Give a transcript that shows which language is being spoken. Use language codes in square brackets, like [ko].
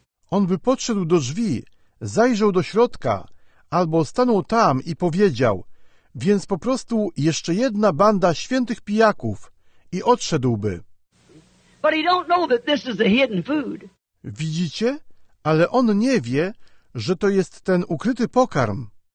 [pl] On by podszedł do drzwi, zajrzał do środka, albo stanął tam i powiedział, więc po prostu jeszcze jedna banda świętych pijaków i odszedłby. [en] But he don't know that this is the hidden food. [pl] Widzicie? Ale on nie wie, że to jest ten ukryty pokarm.